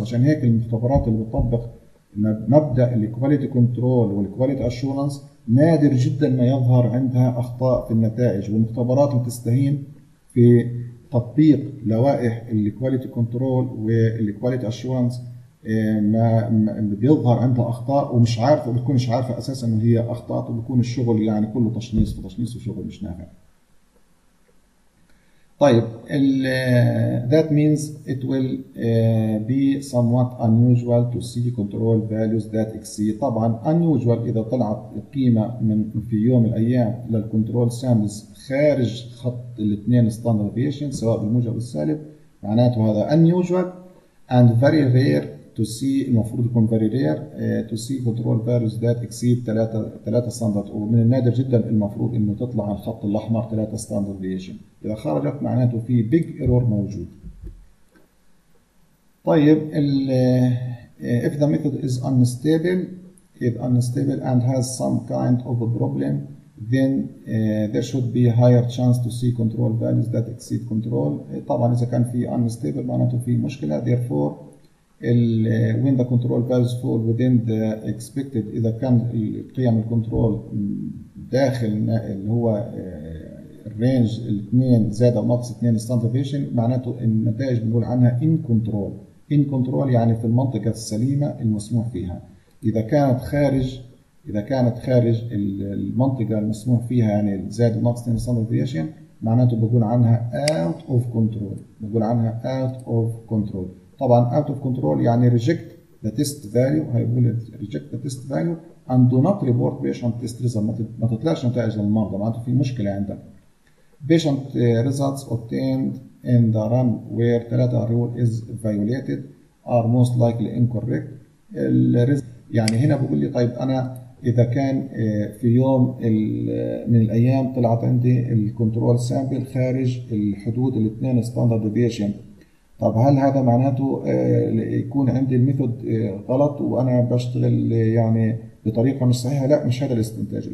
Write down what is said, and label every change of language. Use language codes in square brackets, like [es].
[ar] عشان هيك المختبرات اللي بتطبق مبدأ الكواليتي كنترول والكواليتي أشورنس نادر جدا ما يظهر عندها أخطاء في النتائج، والمختبرات بتستهين في تطبيق لوائح الكواليتي كنترول والكواليتي أشورنس ما بيظهر عندها أخطاء ومش عارفة، بتكونش عارفة أساسا إن هي أخطاء، وبكون الشغل يعني كله تشنيص في تشنيص وشغل مش نافع. [en] طيب that means it will be somewhat unusual to see control values that exceed. [ar] طبعا unusual إذا طلعت قيمة من في يوم الأيام للكنترول سامبلز خارج خط الاثنين ستاندرد ديفيشن سواء بالموجب والسالب، معناته هذا [en] unusual and very rare to see. [ar] المفروض يكون [en] very rare to see control values that exceed [ar] 3 ستاندرد، ومن النادر جدا المفروض إنه تطلع على الخط الأحمر 3 ستاندرد ديفيشن. إذا خرجت معناته في big error موجود. [en] طيب if the method is unstable, if unstable and has some kind of a problem, then there should be a higher chance to see control values that exceed control. [ar] طبعا إذا كان في unstable معناته في مشكلة. [en] Therefore when the control values fall within the expected, [ar] إذا كان قيم الكنترول داخل اللي هو range الاثنين زاد او ناقص 2 standard deviation، معناته النتائج بنقول عنها in control. in control يعني في المنطقة السليمة المسموح فيها. اذا كانت خارج، اذا كانت خارج المنطقة المسموح فيها يعني زاد او ناقص 2 standard deviation، معناته بقول عنها out of control، بقول عنها out of control. [en] طبعا out of control يعني reject the test value، هي بقول reject the test value and do not report patient test result، [ar] ما تطلعش نتائج للمرضى، معناته في مشكلة عندك. [en] Patient results obtained in the run where theta rule is violated are most likely incorrect. [ar] يعني هنا بقول لي طيب أنا إذا كان في يوم من الأيام طلعت عندي الكنترول سامبل خارج الحدود الاثنين ستاندرد ديفيشن، طب هل هذا معناته يكون عندي الميثود غلط وأنا بشتغل يعني بطريقة مش صحيحة؟ لا، مش هذا الاستنتاج.